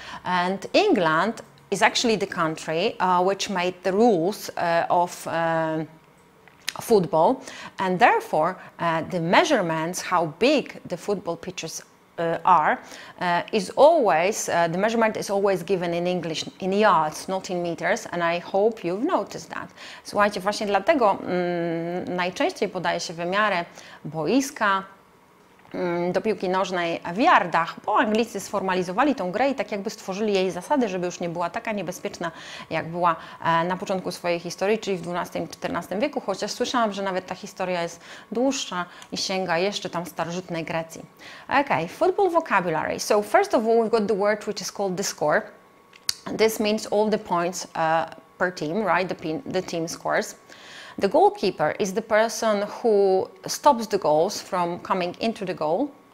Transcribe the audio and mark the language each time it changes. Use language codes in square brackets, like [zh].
[en] And England is actually the country which made the rules of football, and therefore the measurements, how big the football pitches are, is always the measurement is always given in English, in yards, not in meters, and I hope you've noticed that. [pl] Słuchajcie, właśnie dlatego najczęściej podaje się wymiary boiska, do piłki nożnej w jardach, bo Anglicy sformalizowali tą grę i tak jakby stworzyli jej zasady, żeby już nie była taka niebezpieczna, jak była na początku swojej historii, czyli w XII i XIV wieku, chociaż słyszałam, że nawet ta historia jest dłuższa i sięga jeszcze tam starożytnej Grecji. [en] Okay, football vocabulary. So first of all, we've got the word which is called the score. This means all the points per team, right? The team scores. The goalkeeper is the person who stops the goals from coming into the goal.